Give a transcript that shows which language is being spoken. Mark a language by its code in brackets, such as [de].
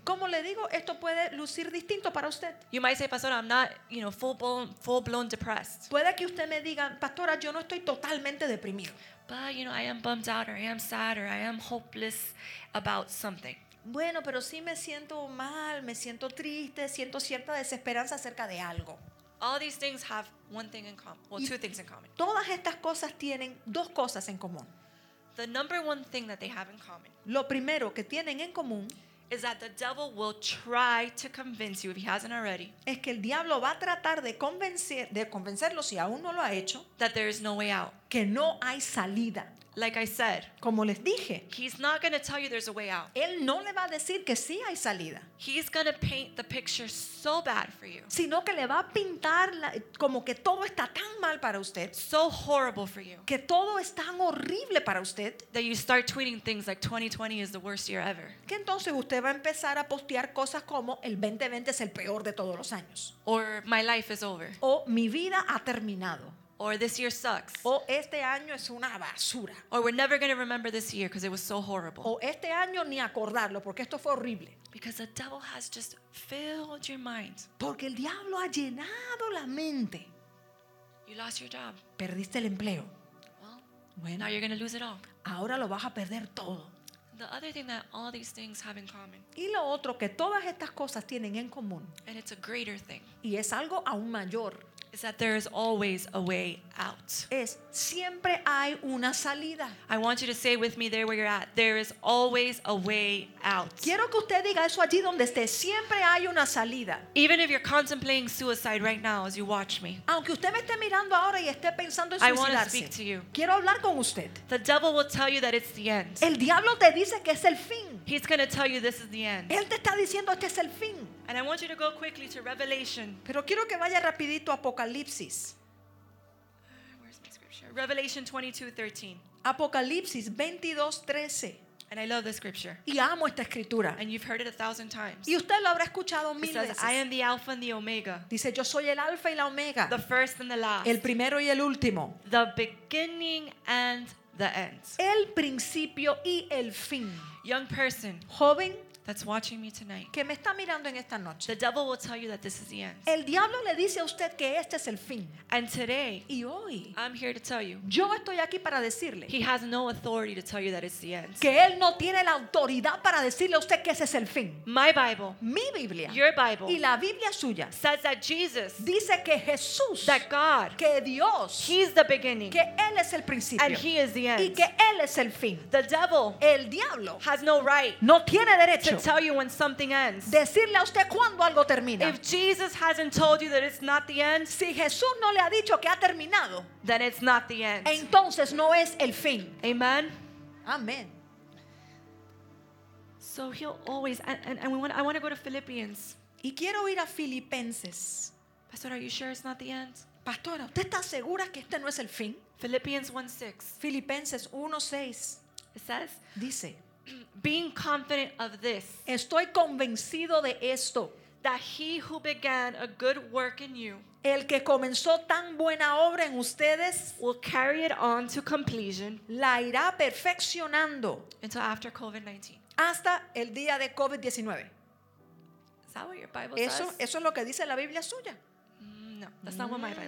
[es] Como le digo, esto puede lucir distinto para usted. [en] You might say, Pastor, I'm not, you know, full blown depressed. [es] Puede que usted me diga, Pastora, yo no estoy totalmente deprimido. [en] But you know, I am bummed out, or I am sad, or I am hopeless about something. [es] Bueno, pero sí me siento mal, me siento triste, siento cierta desesperanza acerca de algo. [en] All these things have one thing in common, well, two things in common. [es] Todas estas cosas tienen dos cosas en común. [en] The number one thing that they have in common. [es] Lo primero que tienen en común [en] is that the devil will try to convince you if he hasn't already. [es] Es que el diablo va a tratar de convencerlo si aún no lo ha hecho. [en] That there is no way out. [es] Que no hay salida. [en] Like I said, [es] como les dije, [en] he's not going to tell you there's a way out. [es] Él no le va a decir que sí hay salida. [en] He's going to paint the picture so bad for you. [es] Sino que le va a pintar como que todo está tan mal para usted. [en] So horrible for you. [es] Que todo es tan horrible para usted. [en] That you start tweeting things like 2020 is the worst year ever. [es] Que entonces usted va a empezar a postear cosas como el 2020 es el peor de todos los años. [en] Or my life is over. [es] O mi vida ha terminado. [en] Or this year sucks. [es] O este año es una basura. [en] Or we're never going to remember this year because it was so horrible. [es] O este año ni acordarlo porque esto fue horrible. [en] Because the devil has just filled your mind. [es] Porque el diablo ha llenado la mente. [en] You lost your job. [es] Perdiste el empleo. [en] Well, [es] bueno, [en] now you're going to lose it all. [es] Ahora lo vas a perder todo. [en] The other thing that all these things have in common. [es] Y lo otro que todas estas cosas tienen en común. [en] And it's a greater thing. [es] Y es algo aún mayor. [en] Is that there is always a way out. [es] Es siempre hay una salida. [en] I want you to say with me there where you're at. There is always a way out. [es] Quiero que usted diga eso allí donde esté. Siempre hay una salida. [en] Even if you're contemplating suicide right now as you watch me. [es] Aunque usted me esté mirando ahora y esté pensando en suicidarse. [en] I want to speak to you. [es] Quiero hablar con usted. [en] The devil will tell you that it's the end. [es] El diablo te dice que es el fin. [en] He's going to tell you this is the end. [es] Él te está diciendo este es el fin. [en] And I want you to go quickly to Revelation. [es] Pero quiero que vaya rapidito a Apocalipsis. [en] Where's my scripture? Revelation 22:13. [es] Apocalipsis 22:13. [en] And I love the scripture. [es] Y amo esta escritura. [en] And you've heard it 1,000 times. [es] Y usted lo habrá escuchado mil veces. [en] He says, I am the Alpha and the Omega. [es] Dice, yo soy el Alfa y la Omega. [en] The first and the last. [es] El primero y el último. [en] The beginning and the end. [es] El principio y el fin. [en] Young person. [es] Joven. [en] That's watching me tonight. [es] Que me está mirando en esta noche. [en] The devil will tell you that this is the end. [es] El diablo le dice a usted que este es el fin. [en] And today, [es] y hoy, [en] I'm here to tell you. [es] Yo estoy aquí para decirle. [en] He has no authority to tell you that it's the end. [es] Que él no tiene la autoridad para decirle a usted que ese es el fin. [en] My Bible, [es] mi Biblia, [en] your Bible, [es] y la Biblia suya, [en] says that Jesus, [es] dice que Jesús, [en] that God, [es] que Dios, [en] he's the beginning, [es] que él es el principio, [en] and he is the end, [es] y que él es el fin. [en] The devil, [es] el diablo, [en] has no right, [es] no tiene derecho. [en] Tell you when something ends. [es] Decirle a usted cuando algo termina. [en] If Jesus hasn't told you that it's not the end, [es] si Jesús no le ha dicho que ha terminado, [en] then it's not the end. [es] Entonces no es el fin. [en] Amen. [es] Amen. [en] So he'll always and we want. I want to go to Philippians. [es] Y quiero ir a Filipenses. [en] Pastor, are you sure it's not the end? [es] Pastora, ¿usted está segura que este no es el fin? [en] Philippians 1:6. [es] Filipenses 1:6. [en] It says. [es] Dice. [en] Being confident of this, [es] estoy convencido de esto, [en] that he who began a good work in you, [es] el que comenzó tan buena obra en ustedes, [en] will carry it on to completion, [es] la irá perfeccionando, [en] until after COVID-19, [es] hasta el día de COVID-19. [en] Is that what your Bible says? [es] Eso es lo que dice la Biblia suya. [en] No, that's not what my Bible says.